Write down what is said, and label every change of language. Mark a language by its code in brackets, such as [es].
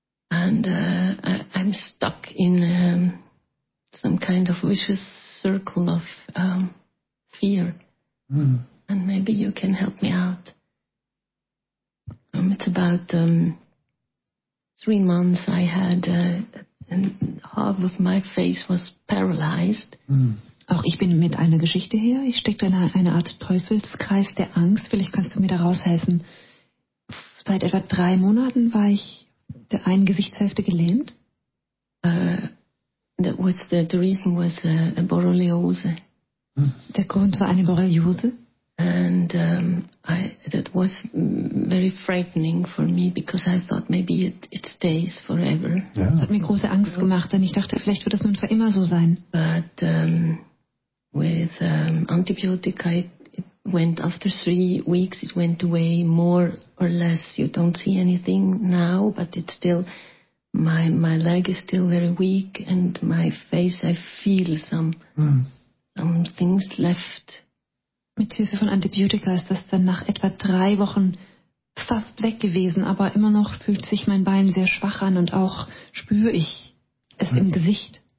[en] And I'm stuck in some kind of vicious circle of fear. Mm. And maybe you can help me out. It's about 3 months I had, and half of my face was paralyzed. Mm. [de] Auch ich bin mit einer Geschichte hier. Ich steckte in eine Art Teufelskreis der Angst. Vielleicht kannst du mir da raushelfen. Seit etwa 3 Monaten war ich der einen Gesichtshälfte gelähmt. [en] The reason was a Borreliose. Mm. [de] Der Grund war eine Borreliose. [en] And that was very frightening for me because I thought maybe it stays forever. Yeah. [de] Das hat mir große Angst gemacht, denn ich dachte, vielleicht wird das nun für immer so sein. [en] But with antibiotics, it went after 3 weeks. It went away more or less. You don't see anything now, but it's still my leg is still very weak and my face. I feel some things left. [de] Mit Hilfe von Antibiotika ist das dann nach etwa 3 Wochen fast weg gewesen, aber immer noch fühlt sich mein Bein sehr schwach an und auch spüre ich es im Gesicht.